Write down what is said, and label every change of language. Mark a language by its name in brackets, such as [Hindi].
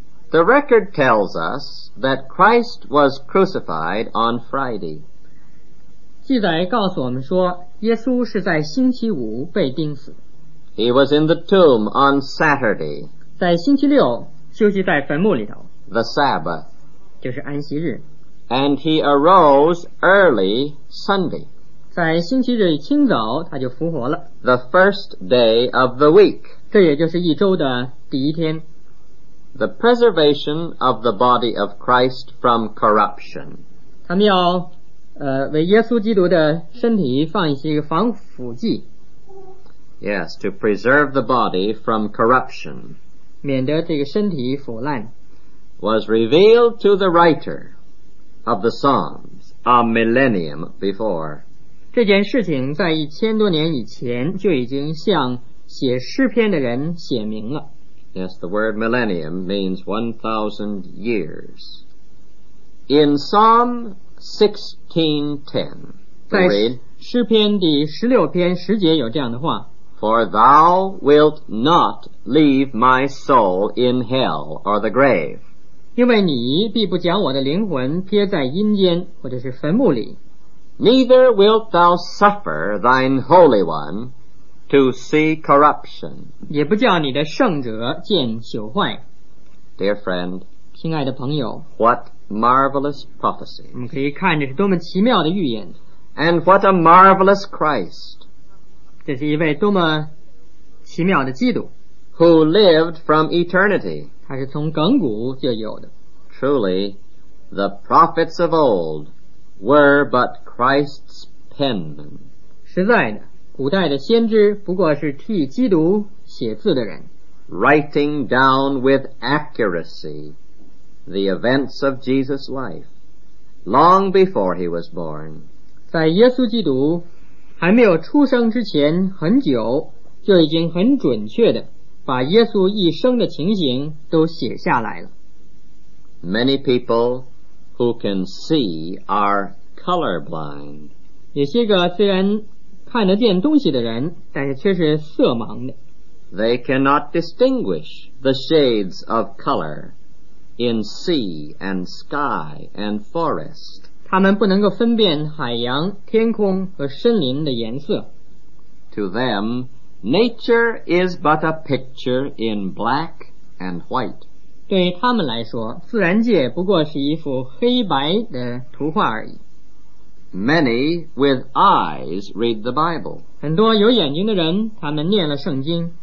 [English] The record tells us that Christ was crucified on Friday. [Chinese] 记载告诉我们说，耶稣是在星期五被钉死。 [English] He was in the tomb on Saturday. [Chinese] 在星期六休息在坟墓里头。 [English] The Sabbath, [Chinese] 就是安息日。 [English] And he arose early Sunday, [Chinese] 在星期日清早他就复活了。 [English] The first day of the week, [Chinese] 这也就是一周的第一天。 [English] The preservation of the body of Christ from corruption, [Chinese] 他们要为耶稣基督的身体放一些防腐剂。 [English] Yes, to preserve the body from corruption, [Chinese] 免得这个身体腐烂。 [English] Was revealed to the writer of the Psalms a millennium before. [Chinese] 这件事情在一千多年以前就已经向写诗篇的人写明了。 [English] Yes, the word millennium means 1,000 years. In Psalm 16:10, we read [Chinese] 诗篇第十六篇十节有这样的话 [English] For thou wilt not leave my soul in hell or the grave. [Chinese] 因为你必不将我的灵魂撇在阴间或者是坟墓里。 [English] Neither wilt thou suffer thine holy one to see corruption. [Chinese] 也不叫你的圣者见朽坏。 [English] Dear friend, [Chinese] 亲爱的朋友 [English] what marvelous prophecy. [Chinese] 我们可以看这是多么奇妙的预言。 [English] And what a marvelous Christ. [Chinese] 这是一位多么奇妙的基督。 [English] Who lived from eternity. [Chinese] 他是从亘古就有的 [English] truly, the prophets of old were but Christ's penmen. [Chinese] 实在的，古代的先知不过是替基督写字的人。 [English] Writing down with accuracy the events of Jesus' life long before he was born. [Chinese] 在耶稣基督还没有出生之前很久，就已经很准确地把耶稣一生的情形都写下来了。 [English] Many people who can see are colorblind. [Chinese] 有些个虽然看得见东西的人，但是却是色盲的。 [English] They cannot distinguish the shades of color in sea and sky and forest. [Chinese] 他们不能够分辨海洋、天空和森林的颜色。 [English] To them, nature is but a picture in black and white. [Chinese] 对他们来说，自然界不过是一幅黑白的图画而已。 [English] Many with eyes read the Bible. [Chinese] 很多有眼睛的人，他们念了圣经。